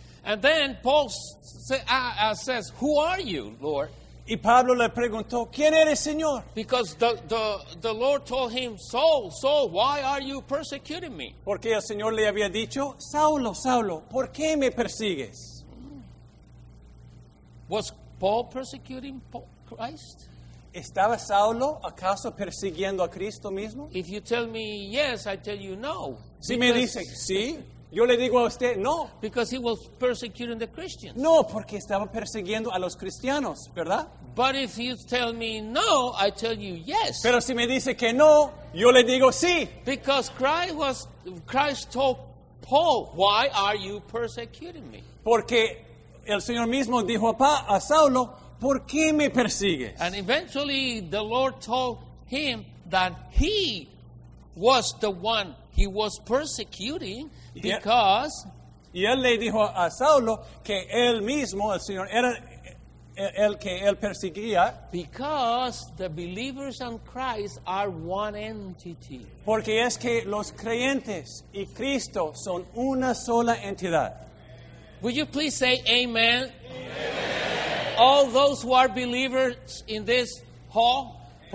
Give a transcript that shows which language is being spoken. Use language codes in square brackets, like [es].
[en] And then Paul says, "Who are you, Lord?" [es] Y Pablo le preguntó, ¿quién eres, Señor? [en] Because the Lord told him, Saul, why are you persecuting me? [es] Porque el Señor le había dicho, Saulo, ¿por qué me persigues? [en] Was Paul persecuting Christ? [es] ¿Estaba Saulo acaso persiguiendo a Cristo mismo? [en] If you tell me yes, I tell you no. [es] Si me dice sí, yo le digo a usted, no. [en] Because he was persecuting the Christians. [es] No, porque estaba persiguiendo a los cristianos, ¿verdad? [en] But if you tell me no, I tell you yes. [es] Pero si me dice que no, yo le digo sí. [en] Because Christ told Paul, why are you persecuting me? [es] Porque el Señor mismo dijo a Saulo, ¿por qué me persigues? [en] And eventually the Lord told him that he was the one he was persecuting. Because, [es] y él le dijo a Saulo que él mismo, el Señor, era el que él perseguía. [en] Because the believers and Christ are one entity. [es] Porque es que los creyentes y Cristo son una sola entidad. [en] Would you please say amen? Amen. All those who are believers in this hall.